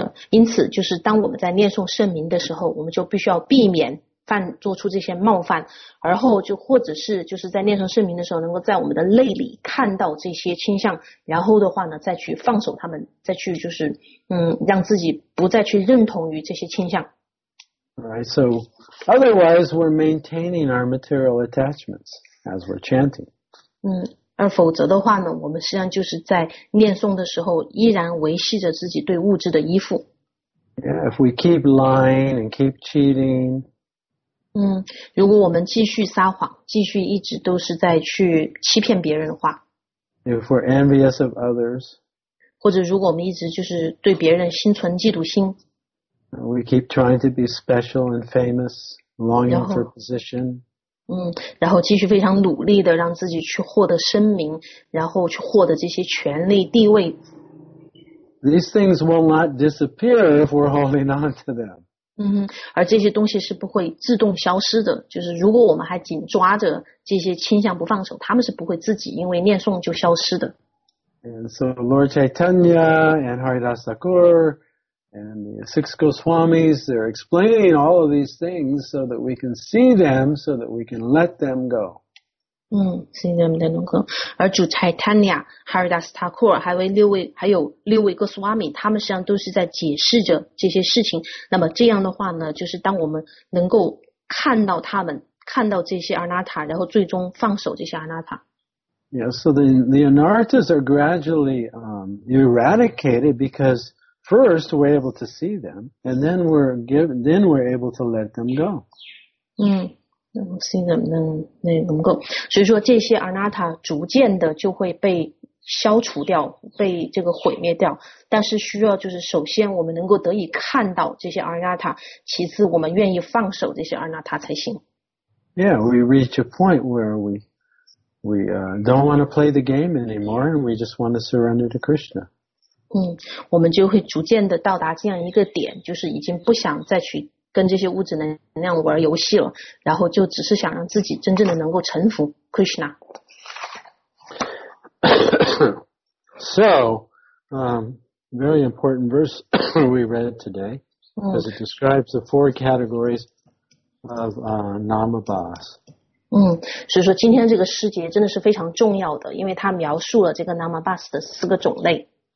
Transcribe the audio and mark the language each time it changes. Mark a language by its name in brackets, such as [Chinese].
[Chinese] 因此就是当我们在念诵圣名的时候，我们就必须要避免做出这些冒犯，而后就或者是就是在念诵圣名的时候，能够在我们的内里看到这些倾向，然后的话呢，再去放手他们，再去就是让自己不再去认同于这些倾向。 [English] Right, so otherwise we're maintaining our material attachments as we're chanting. [Chinese] 而否则的话呢，我们实际上就是在念诵的时候依然维系着自己对物质的依附。 [English] Yeah, if we keep lying and keep cheating. [Chinese] 如果我们继续撒谎，继续一直都是在去欺骗别人的话， [English] If we're envious of others. [Chinese] 或者如果我们一直就是对别人心存嫉妒心， [English] We keep trying to be special and famous, longing for position. [Chinese] 然后继续非常努力的让自己去获得声名，然后去获得这些权力地位。 [English] These things will not disappear if we're holding on to them. [Chinese] 而这些东西是不会自动消失的，就是如果我们还紧抓着这些倾向不放手，他们是不会自己因为念诵就消失的。 [English] And so Lord Chaitanya and Haridas Thakur and the six Goswamis, they're explaining all of these things so that we can see them, so that we can let them go. [Chinese] 是这样的，龙哥。而主 Chaitanya、Haridas Thakur 还有六位哥斯瓦米，他们实际上都是在解释着这些事情。那么这样的话呢，就是当我们能够看到他们，看到这些 Anatta，然后最终放手这些 Anatta。 [English] Yeah, so the anarthas are gradually eradicated because first, we're able to see them, and then we're able to let them go. [Chinese] 是的，能够，所以说这些 anatta 逐渐的就会被消除掉，被这个毁灭掉。但是需要就是首先我们能够得以看到这些 anatta，其次我们愿意放手这些 anatta 才行。 [English] Yeah, we reach a point where we don't want to play the game anymore, and we just want to surrender to Krishna. [Chinese] 我们就会逐渐的到达这样一个点，就是已经不想再去跟这些物质能量玩游戏了，然后就只是想让自己真正的能够臣服 Krishna。 [English] So, very important verse we read today, because it describes the four categories of namabhas. [Chinese] 所以说今天这个师节真的是非常重要的，因为它描述了这个 namabhas 的四个种类。